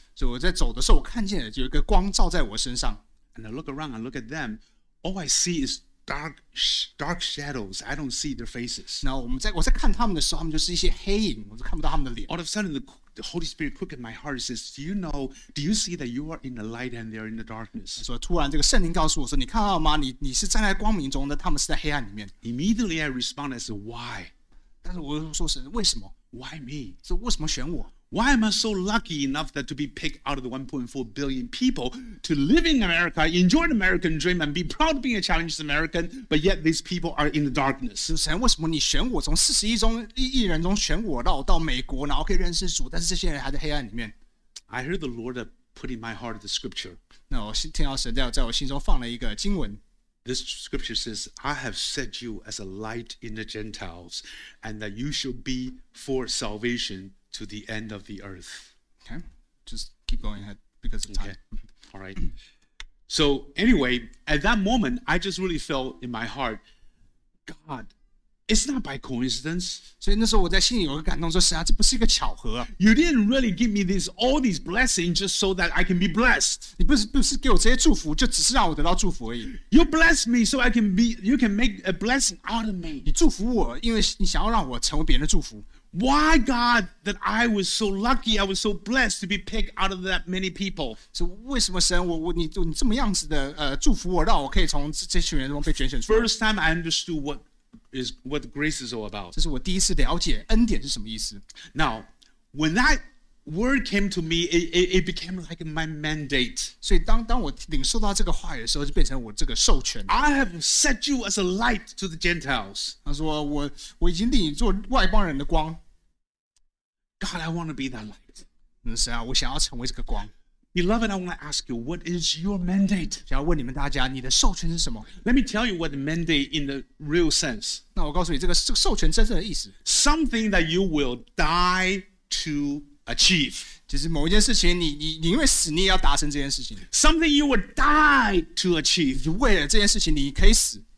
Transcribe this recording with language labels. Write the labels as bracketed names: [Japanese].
[Chinese] 所以我在走的时候，我看见了有一个光照在我身上。 [English] And I look around, I look at them. All I see is. Dark shadows. I don't see their faces. [Chinese] 然后我在看他们的时候，他们就是一些黑影，我就看不到他们的脸。 [English] All of a sudden, the Holy Spirit quickened my heart. Says, "Do you know? Do you see that you are in the light and they are in the darkness?" [Chinese] 说突然这个圣灵告诉我说，你看到吗？你是站在光明中的，他们是在黑暗里面。 [English] Immediately, I responded, "Why?" [Chinese] 但是我说神为什么 [English] Why me? [Chinese] 是为什么选我 [English] Why am I so lucky enough that to be picked out of the 1.4 billion people to live in America, enjoy an American dream and be proud of being a challenged American, but yet these people are in the darkness? [Chinese] 神为什么你选我从41亿人中选我到美国然后可以认识主但是这些人还在黑暗里面 [English] I heard the Lord put in my heart the scripture. [Chinese] 那我听到神在我心中放了一个经文 [English] This scripture says, I have set you as a light in the Gentiles, and that you shall be for salvation to the end of the earth. Okay, just keep going ahead because of time. Okay. All right. So anyway, at that moment, I just really felt in my heart, God, it's not by coincidence. [Chinese] 所以那时候我在心里有个感动说神啊，这不是一个巧合。 [English] You didn't really give me all these blessings just so that I can be blessed. [Chinese] 你不是给我这些祝福，就只是让我得到祝福而已。 [English] You bless me so I can be, you can make a blessing out of me. [Chinese] 你祝福我，因为你想要让我成为别人的祝福。 [English] Why God that I was so lucky, I was so blessed to be picked out of that many people? [Chinese] 是为什么神你这么样子的祝福我，让我可以从这群人中被拣选出来 [English] ？First time I understood what grace is all about. [Chinese] 这是我第一次了解恩典是什么意思。 [English] Now, when that word came to me, it became like my mandate. [Chinese] 所以当我领受到这个话语的时候，就变成我这个授权。 [English] I have set you as a light to the Gentiles. [Chinese] 他说我已经立你做外邦人的光。 [English] God, I want to be that light. [Chinese] 神啊，我想要成为这个光。 [English] Beloved, I want to ask you, what is your mandate? [Chinese] 想要问你们大家，你的授权是什么？ [English] Let me tell you what the mandate in the real sense. [Chinese] 那我告诉你，这个授权真正的意思。 [English] Something that you will die to achieve. [Chinese] 就是某一件事情你因为死，你也要达成这件事情。 [English] Something you will die to achieve. [Chinese] 就为了这件事情，你可以死。